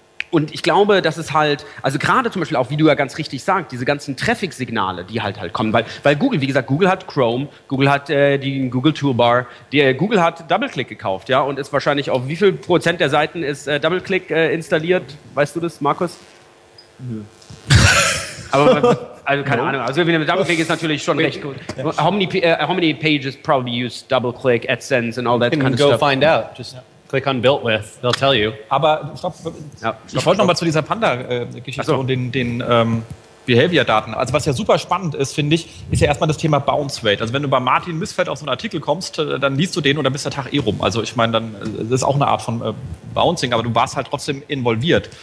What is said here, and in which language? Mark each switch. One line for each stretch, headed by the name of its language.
German: Und ich glaube, dass es halt, also gerade zum Beispiel auch, wie du ja ganz richtig sagst, diese ganzen Traffic-Signale, die halt kommen, weil Google, wie gesagt, Google hat Chrome, Google hat die Google Toolbar, Google hat DoubleClick gekauft, ja, und ist wahrscheinlich auf wie viel Prozent der Seiten ist DoubleClick installiert? Weißt du das, Markus? Mhm. Aber also keine Ahnung. Also DoubleClick ist natürlich schon recht gut.
English: How many pages probably use DoubleClick, AdSense and all that kind of stuff? You can go find out. Just click on built with. They'll tell you.
German: Aber ich wollte noch mal zu dieser Panda-Geschichte und den Behavior-Daten. Also was ja super spannend ist, finde ich, ist ja erstmal das Thema Bounce Rate. Also wenn du bei Martin Missfeld auf so einen Artikel kommst, dann liest du den und dann bist der Tag eh rum. Also ich meine, dann das ist auch eine Art von Bouncing, aber du warst halt trotzdem involviert.